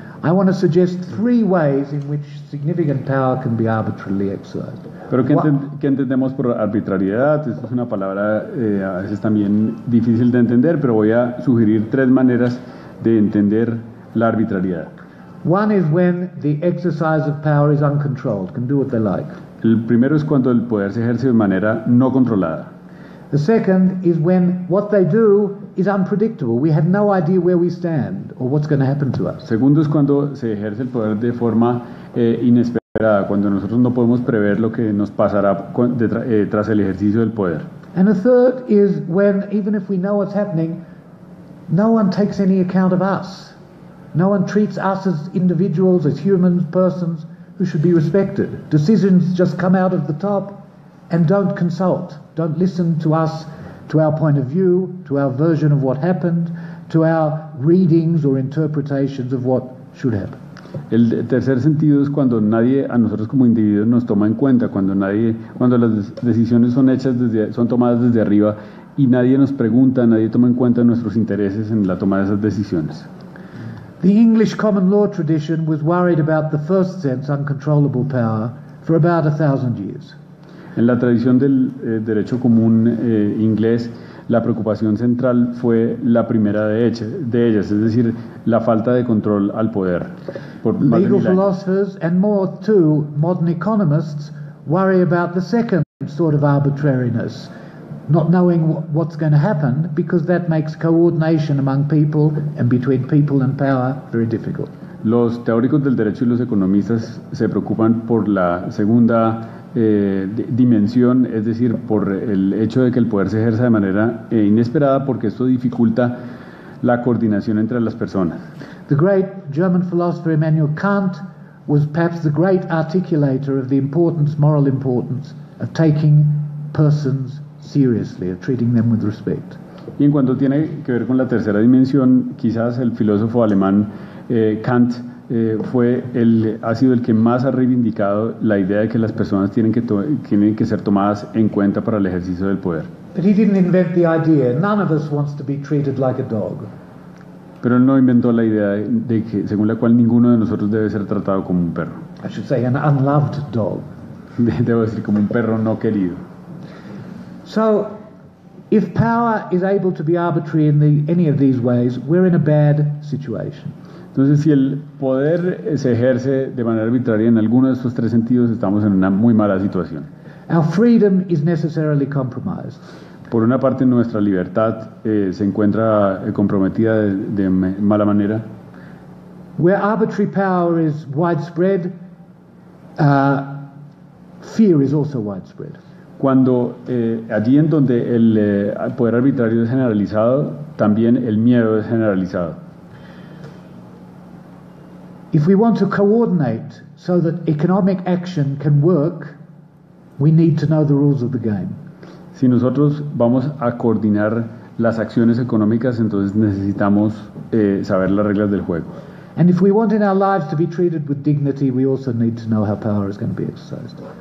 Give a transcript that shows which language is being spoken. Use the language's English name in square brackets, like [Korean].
[English] I want to suggest three ways in which significant power can be arbitrarily exercised. [Spanish] Pero ¿qué entendemos por arbitrariedad? Esto es una palabra a veces también difícil de entender, pero voy a sugerir tres maneras de entender la arbitrariedad. [English] One is when the exercise of power is uncontrolled, can do what they like. [Spanish] El primero es cuando el poder se ejerce de manera no controlada. [English] The second is when what they do is unpredictable. We have no idea where we stand or what's going to happen to us. [Spanish] Segundo es cuando se ejerce el poder de forma inesperada, cuando nosotros no podemos prever lo que nos pasará tras el ejercicio del poder. [English] And the third is when, even if we know what's happening, no one takes any account of us. No one treats us as individuals, as humans, persons who should be respected. Decisions just come out of the top and don't consult, don't listen to us, to our point of view, to our version of what happened, to our readings or interpretations of what should happen. [Spanish] El tercer sentido es cuando nadie a nosotros como individuos nos toma en cuenta, cuando las decisiones son tomadas desde arriba, y nadie nos pregunta, nadie toma en cuenta nuestros intereses en la toma de esas decisiones. [English] The English common law tradition was worried about the first sense, uncontrollable power, for about 1,000 years. [Spanish] En la tradición del derecho común inglés, la preocupación central fue la primera de ellas, es decir, la falta de control al poder. [English] Legal philosophers and more too modern economists worry about the second sort of arbitrariness, not knowing what's going to happen, because that makes coordination among people and between people and power very difficult. [Spanish] Los teóricos del derecho y los economistas se preocupan por la segunda dimensión, es decir, por el hecho de que el poder se ejerza de manera inesperada, porque esto dificulta la coordinación entre las personas. [English] The great German philosopher Immanuel Kant was perhaps the great articulator of the importance, moral importance, of taking persons seriously, of treating them with respect. [Spanish] Y en cuanto tiene que ver con la tercera dimensión, quizás el filósofo alemán Kant ha sido el que más ha reivindicado la idea de que las personas tienen que ser tomadas en cuenta para el ejercicio del poder. [English] But he didn't invent the idea. None of us wants to be treated like a dog. [Spanish] Pero él no inventó la idea de que, según la cual ninguno de nosotros debe ser tratado como un perro. [English] I should say an unloved dog. [Spanish] Debo decir, como un perro no querido. [English] So, if power is able to be arbitrary in any of these ways, we're in a bad situation. [Spanish] Entonces, si el poder se ejerce de manera arbitraria en alguno de estos tres sentidos, estamos en una muy mala situación. [English] Our freedom is necessarily compromised. [Spanish] Por una parte, nuestra libertad se encuentra comprometida de mala manera. [English] Where arbitrary power is widespread, fear is also widespread. [Spanish] Cuando allí en donde el poder arbitrario es generalizado, también el miedo es generalizado. [English] If we want to coordinate so that economic action can work, we need to know the rules of the game. [Spanish] Si nosotros vamos a coordinar las acciones económicas, entonces necesitamos saber las reglas del juego. [English] And if we want in our lives to be treated with dignity, we also need to know how power is going to be exercised.